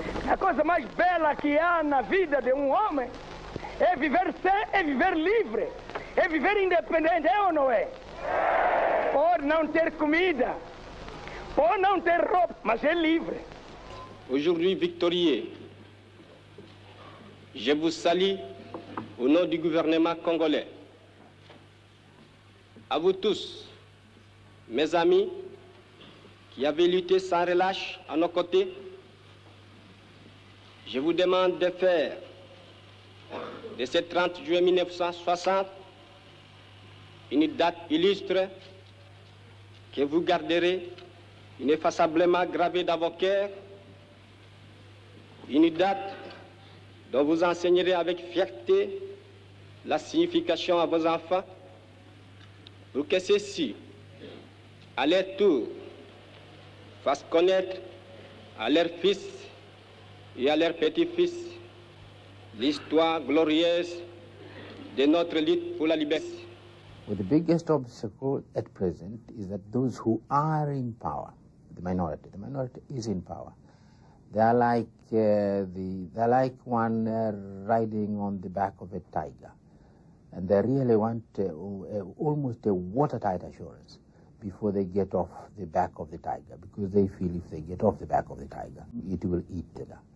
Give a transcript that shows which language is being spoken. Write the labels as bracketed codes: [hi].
[pt] A coisa mais bela que há na vida de homem é viver sem, é viver livre, é viver independente, é ou não é? Por não ter comida, por não ter roupa, mas é livre. [fr] Aujourd'hui victorieux, je vous salue au nom du gouvernement congolais. À vous tous, mes amis, qui avez lutté sans relâche à nos côtés, je vous demande de faire de ce 30 juillet 1960 une date illustre que vous garderez ineffaçablement gravée dans vos cœurs, une date dont vous enseignerez avec fierté la signification à vos enfants, pour que ceux-ci, à leur tour, fassent connaître à leurs fils et à leurs petits-fils l'histoire glorieuse de notre lutte pour la liberté. [en] Well, the biggest obstacle at present is that those who are in power, the minority is in power. They're like one riding on the back of a tiger, and they really want almost a watertight assurance before they get off the back of the tiger, because they feel if they get off the back of the tiger, it will eat them.